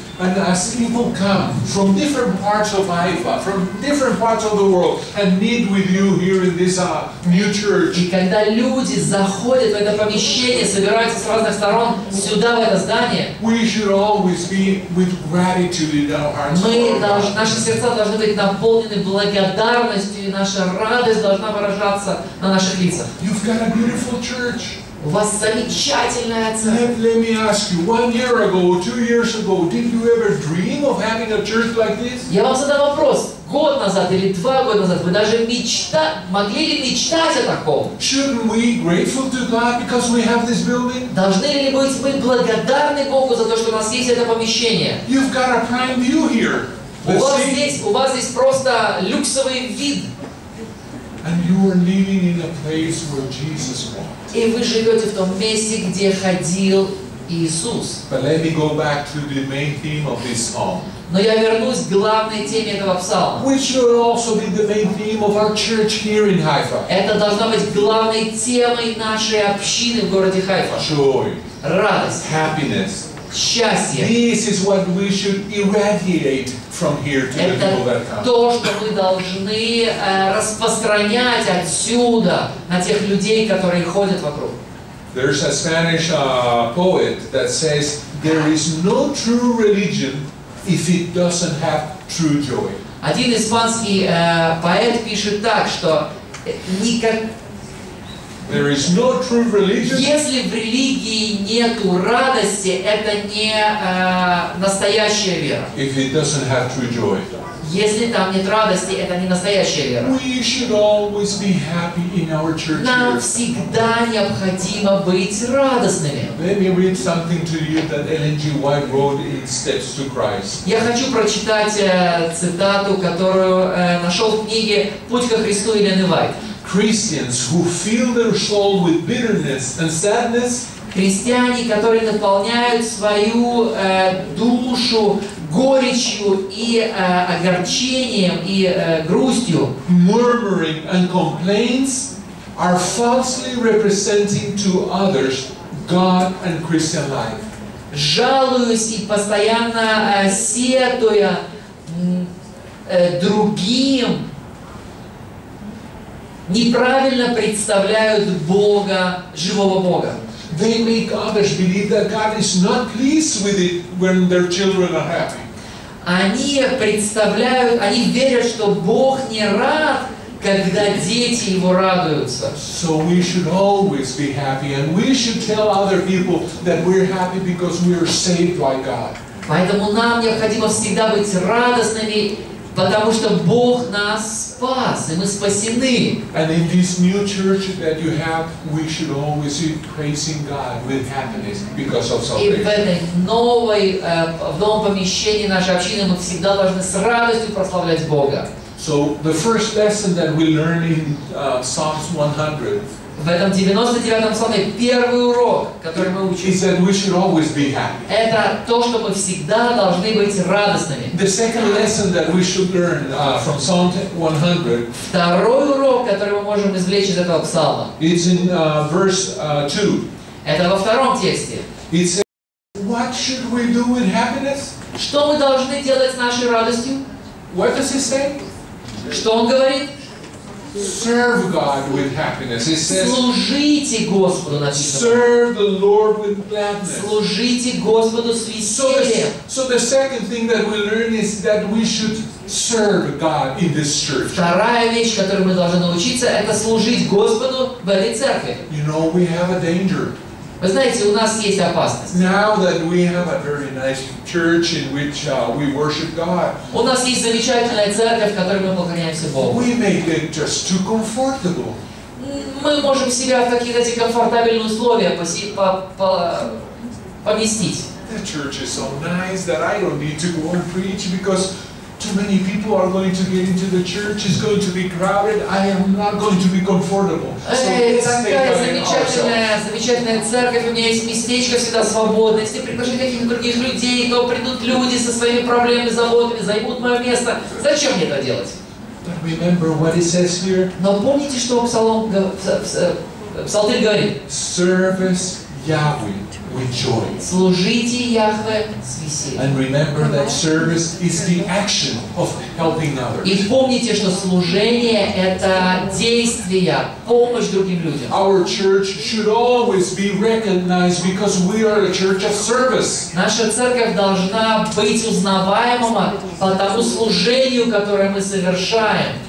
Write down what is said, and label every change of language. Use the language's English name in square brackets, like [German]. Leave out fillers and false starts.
[English] And as people come from different parts of Haifa, from different parts of the world, and meet with you here in this new church. [Russian] И когда люди заходят в это помещение, собираются с разных сторон сюда в это здание. [English] We should always be with gratitude in our hearts. [Russian] Наши сердца должны быть наполнены благодарностью, и наша радость должна выражаться на наших лицах. [English] You've got a beautiful church. [Russian] У вас замечательная церковь. [English] Let me ask you, 1 year ago, 2 years ago, did you ever dream of having a church like this? [Russian] Я вам задам вопрос. Год назад или 2 года назад вы даже могли ли мечтать о таком? [English] Shouldn't we grateful to God because we have this building? [Russian] Должны ли быть мы благодарны Богу за то, что у нас есть это помещение? [English] You've got a prime view here. [Russian] У вас здесь просто люксовый вид. [English] And you are living in a place where Jesus walked. [Russian] И вы живете в том месте, где ходил Иисус. [English] But let me go back to the main theme of this psalm. [Russian] Но я вернусь к главной теме этого псалма. [English] Which should also be the main theme of our church here in Haifa. [Russian] Это должна быть главной темой нашей общины в городе Хайфа. [English] Joy. [Russian] Радость. [English] Happiness. [Russian] Счастье. [English] This is what we should irradiate from here to the people that come. [Russian] Это то, что мы должны распространять отсюда на тех людей, которые ходят вокруг. [English] There's a Spanish poet that says there is no true religion if it doesn't have true joy. [Russian] Один испанский поэт пишет так, что никак. [English] There is no true religion. [Russian] Если в религии нету радости, это не настоящая вера. [English] If it doesn't have true joy. [Russian] Если там нет радости, это не настоящая вера. [English] We should always be happy in our church. [Russian] Нам всегда необходимо быть радостными. [English] Let me read something to you that Ellen G. White wrote in Steps to Christ. [Russian] Я хочу прочитать цитату, которую нашел в книге «Путь ко Христу» Эллен Уайт. [English] Christians who fill their soul with bitterness and sadness. [Russian] Христиане, которые наполняют свою душу горечью и огорчением и грустью. [English] Murmuring and complaints are falsely representing to others God and Christian life. [Russian] Жалуюсь и постоянно сетуя другим. Неправильно представляют Бога, живого Бога. [English] They make others believe that God is not pleased with it when their children are happy. [Russian] Они верят, что Бог не рад, когда дети его радуются. [English] So we should always be happy, and we should tell other people that we're happy because we are saved by God. [Russian] Поэтому нам необходимо всегда быть радостными. Потому что Бог нас спас, и мы спасены. [English] And in this new church that you have, we should always be praising God with happiness because of salvation. [Russian] И в этой новом помещении нашей общины мы всегда должны с радостью прославлять Бога. [English] So the first lesson that we learn in Psalms 100. [Russian] В этом 99-м псалме первый урок, который мы учим, [English] is that we should always be happy. [Russian] Это то, что мы всегда должны быть радостными. [English] The second lesson that we should learn from Psalm 100. [Russian] Второй урок, который мы можем извлечь из этого псалма. [English] It's in verse 2. [Russian] Это во втором тексте. [English] It says, what should we do with happiness? [Russian] Что мы должны делать с нашей радостью? [English] What does he say? [Russian] Что он говорит? [English] Serve God with happiness. It says, [Russian] служите Господу, написано. [English] Serve the Lord with gladness. [Russian] Служите Господу с весельем. [English] So the second thing that we learn is that we should serve God in this church. [Russian] Вторая вещь, которой мы должны научиться, это служить Господу в этой церкви. [English] You know, we have a danger. [Russian] Вы знаете, у нас есть опасность. [English] Now that we have a very nice church in which we worship God. [Russian] У нас есть замечательная церковь, в которой мы поклоняемся Богу. [English] We make it just too comfortable. [Russian] Мы можем себя в какие-то эти комфортабельные условия поместить. [English] The church is so nice that I don't need to go and preach because too many people are going to get into the church. It's going to be crowded. I am not going to be comfortable. [Russian] Замечательная церковь. У меня есть местечко всегда свободное. Если приглашать каких-то других людей, то придут люди со своими проблемами, заботами, займут мое место. Зачем мне это делать? [English] But remember what it says here. [Russian] Но помните, что Псалтырь говорит. [English] Service Yahweh. With joy. [Russian] Служите Яхве с весельем. [English] And remember that service is the action of helping others. [Russian] И помните, что служение — это действие, помощь другим людям. [English] Our church should always be recognized because we are a church of service. [Russian] Наша церковь должна быть узнаваема по тому служению, которое мы совершаем.